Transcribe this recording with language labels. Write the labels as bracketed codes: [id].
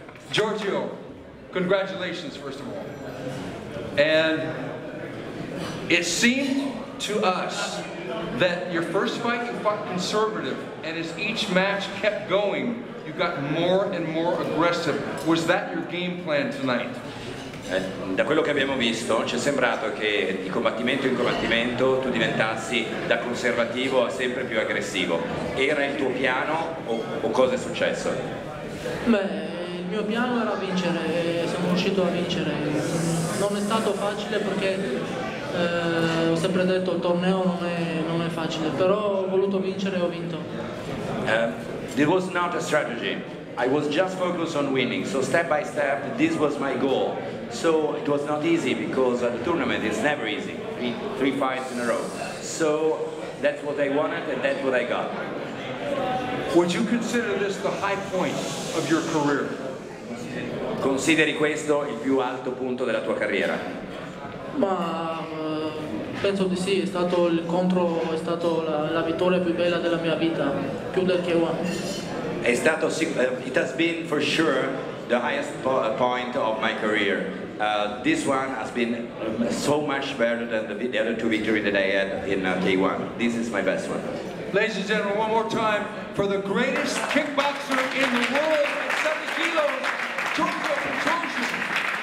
[en] Giorgio, congratulations, first of all. And it seemed to us that your first fight you fought conservative, and as each match kept going, you got more and more aggressive. Was that your game plan tonight? [it] Da quello che abbiamo visto, ci è sembrato che di combattimento in combattimento tu diventassi da conservativo a sempre più aggressivo. Era il tuo piano o cosa è successo? Il mio piano era vincere e sono riuscito a vincere. Non è stato facile perché ho sempre detto il torneo non è facile, però ho voluto vincere e ho vinto. [en] There was not a strategy. I was just focused on winning. So step by step, this was my goal. So it was not easy because the tournament is never easy. Three fights in a row. So that's what I wanted and that's what I got. Would you consider this the high point of your career? [it] Consideri questo il più alto punto della tua carriera? Ma penso di sì, è stato la vittoria più bella della mia vita, più del K1. [en] It has been for sure the highest point of my career. This one has been so much better than the other two victories that I had in K1. This is my best one. Ladies and gentlemen, one more time for the greatest kickboxer in the world at 70 kilos, Giorgio Petrosyan.